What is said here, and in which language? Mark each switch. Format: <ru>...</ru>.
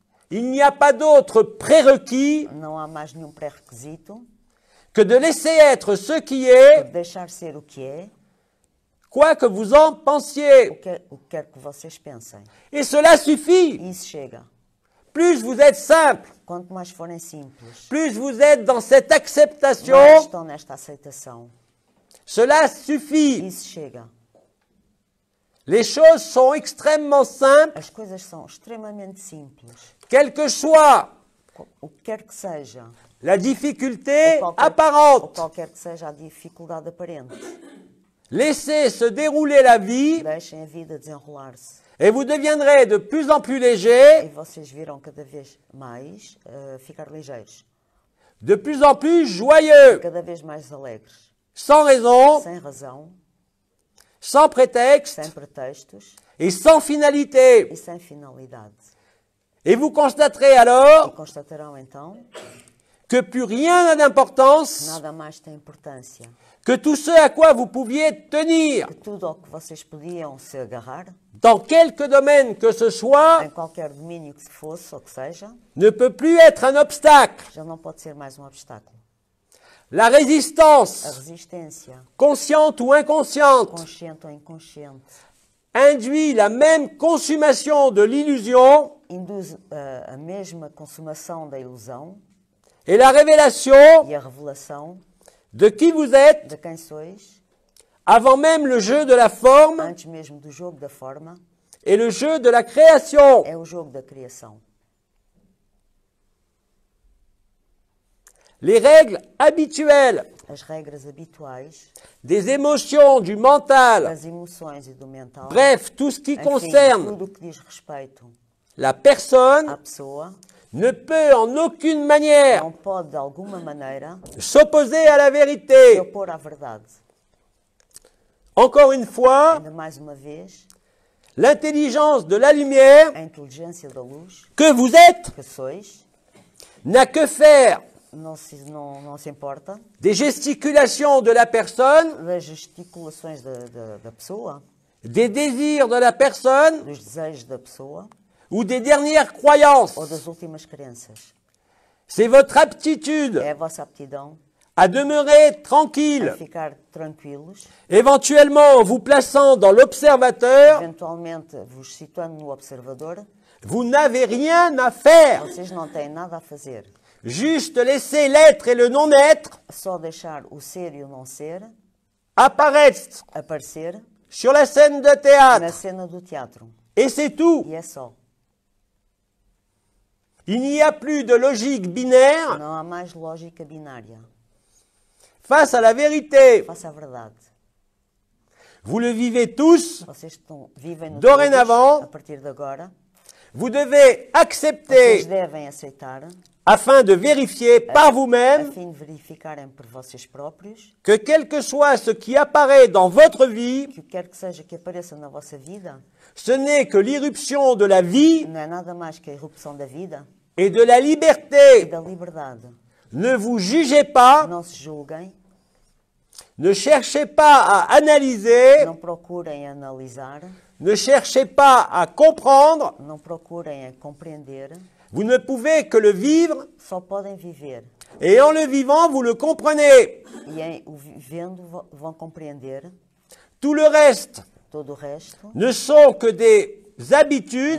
<fr>il n'y a pas d'autre prérequis,</fr> <pt>não há mais nenhum pré-requisito,</pt> <fr>que de laisser être ce qui est,</fr> <pt>de deixar ser o que é,</pt> <fr>quoi que vous en pensiez.</fr> <pt>O que vocês pensem.</pt> <fr>Et cela suffit.</fr> <pt>Isso chega.</pt> <fr>Plus vous êtes simple,</fr> <pt>quanto mais forem simples,</pt> <fr>plus vous êtes dans cette acceptation,</fr> <pt>mais estão nesta aceitação.</pt> <fr>Cela suffit.</fr> <pt>Isso chega.</pt> <fr>Les choses sont extrêmement simples.</fr> <pt>As coisas são extremamente simples.</pt> <fr>Quel que soit</fr> <pt>o que quer que seja,</pt> <fr>la difficulté apparente.</fr> <pt>Ou qualquer que seja a dificuldade aparente.</pt> <fr>Laissez se dérouler la vie.</fr> <pt>Deixem a vida desenrolar-se.</pt> <fr>Et vous deviendrez de plus en plus léger.</fr> <pt>E vocês virão cada vez mais ficar ligeiros.</pt> <fr>De plus en plus joyeux.</fr> <pt>Cada vez mais alegres.</pt> <fr>Sans raison,</fr> <pt>sem razão,</pt> <fr>sans prétexte,</fr> <pt>sem pretextos,</pt> <fr>et sans finalité.</fr> <pt>E sem finalidade.</pt> <fr>Et vous constaterez alors,</fr> <pt>e constatarão então,</pt> <fr>que plus rien n'a d'importance,</fr> <pt>nada mais tem importância,</pt> <fr>que tout ce à quoi vous pouviez tenir,</fr> <pt>que tudo ao que vocês podiam se agarrar,</pt> <fr>dans quelque domaine que ce soit,</fr> <pt>em qualquer domínio que fosse, ou que seja,</pt> <fr>ne peut plus être un obstacle.</fr> <pt>Já não pode ser mais obstáculo.</pt> <fr>La résistance,</fr> <pt>a resistência,</pt> <fr>consciente ou inconsciente,</fr> <pt>consciente ou inconsciente,</pt> <fr>induit la même consommation de l'illusion,</fr> <pt>induz a mesma consumação da ilusão,</pt> <fr>et la révélation,</fr> <pt>e a revelação,</pt> <fr>de qui vous êtes,</fr> <pt>de quem sois,</pt> <fr>avant même le jeu de la forme,</fr> <pt>antes mesmo do jogo da forma,</pt> <fr>et le jeu de la création,</fr> <pt>é o jogo da criação.</pt> <fr>Les règles habituelles,</fr> <pt>as regras habituais,</pt> <fr>des émotions, du mental,</fr> <pt>as emoções e do mental,</pt> <fr>bref, tout ce qui</fr> <pt>enfim,</pt> <fr>concerne</fr> <pt>tudo que diz respeito,</pt> <fr>la personne,</fr> <pt>a pessoa,</pt> <fr>ne peut en aucune manière,</fr> <pt>não pode de alguma maneira,</pt> <fr>s'opposer à la vérité.</fr> <pt>Se opor à verdade.</pt> <fr>Encore une fois,</fr> <pt>ainda mais uma vez,</pt> <fr>l'intelligence de la lumière,</fr> <pt>a inteligência da luz,</pt> <fr>que vous êtes,</fr> <pt>que sois,</pt> <fr>n'a que faire.</fr> <pt>Não se importa.</pt> <fr>Des gesticulations de la personne.</fr> <pt>Das gesticulações da pessoa.</pt> <fr>Des désirs de la personne.</fr> <pt>Dos desejos da pessoa.</pt> <fr>Ou des dernières croyances.</fr> <pt>Ou das últimas crenças.</pt> <fr>C'est votre aptitude.</fr> <pt>É a vossa aptidão.</pt> <fr>À demeurer tranquille.</fr> <pt>A ficar tranquilos.</pt> <fr>Éventuellement vous plaçant dans l'observateur.</fr> <pt>Eventualmente</pt> <fr>vous</fr> <pt>situando no observador.</pt> <fr>Vous n'avez rien à faire.</fr> <pt>Vocês não têm nada a fazer.</pt> <fr>Juste laisser l'être et le non-être,</fr> <pt>só deixar o ser e o não ser,</pt> <fr>apparaître,</fr> <pt>aparecer,</pt> <fr>sur la scène de théâtre,</fr> <pt>na cena do teatro,</pt> <fr>et c'est tout.</fr> <pt>E é só.</pt> <fr>Il n'y a plus de logique binaire,</fr> <pt>não há mais lógica binária.</pt> <fr>Face à la vérité,</fr> <pt>face à verdade,</pt> <fr>vous le vivez tous,</fr> <pt>vocês estão vivendo</pt> <fr>dorénavant,</fr> <pt>a partir de agora,</pt> <fr>vous devez accepter,</fr> <pt>vocês devem aceitar,</pt> <fr>afin de vérifier par vous-même,</fr> <pt>afin de verificarem por vocês próprios,</pt> <fr>que quel que soit ce qui apparaît dans votre vie,</fr> <pt>que quer que seja que apareça na vossa vida,</pt> <fr>ce n'est que l'irruption de la vie,</fr> <pt>não é nada mais que a irrupção da vida,</pt> <fr>et de la liberté,</fr> <pt>e da liberdade.</pt> <fr>Ne vous jugez pas,</fr> <pt>não se julguem,</pt> <fr>Ne cherchez pas à analyser.</fr> <pt>Não procurem analisar.</pt> <fr>Ne cherchez pas à comprendre.</fr> <pt>Não procurem compreender.</pt> <fr>Vous ne pouvez que le vivre.</fr> <pt>Só podem viver.</pt> <fr>Et en le vivant, vous le comprenez.</fr> <pt>E em vivendo vão compreender.</pt> <fr>Tout le reste.</fr> <pt>Todo o resto.</pt> <fr>Ne sont que des habitudes.</fr>